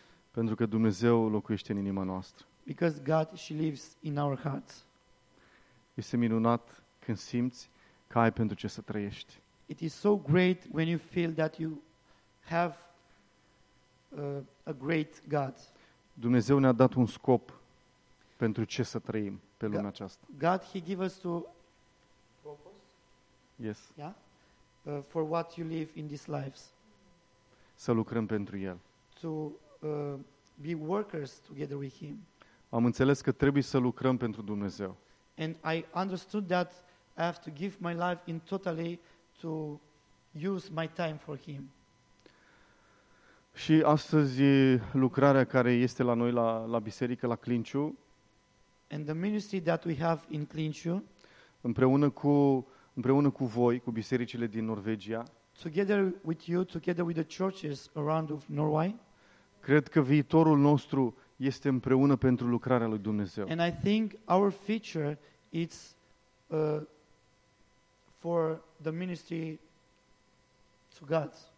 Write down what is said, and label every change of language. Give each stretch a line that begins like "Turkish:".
Romanian: Pentru că Dumnezeu locuiește în inima noastră.
English: Because God she lives in our hearts.
Romanian: Este minunat când simți că ai pentru ce să trăiești.
English: It is so great when you feel that you have a great God.
Romanian: Dumnezeu ne-a dat un scop pentru ce să trăim pe lumea aceasta.
English: God he give us to purpose. Yes. Yeah. For what you live in these lives.
Romanian: Să lucrăm pentru El.
English: To be workers together with Him.
Romanian: Am înțeles că trebuie să lucrăm pentru Dumnezeu.
English: And I understood that I have to give my life in totally to use my time for Him.
Romanian: Și astăzi lucrarea care este la noi la biserică, la Clinciu.
English: And the ministry that we have in Clinciu.
Romanian: Împreună cu voi, cu bisericile din Norvegia.
English: Together with you, together with the churches around of Norway.
Romanian: Cred că viitorul nostru este împreună pentru lucrarea lui Dumnezeu.
English: And I think our future is for the ministry to God.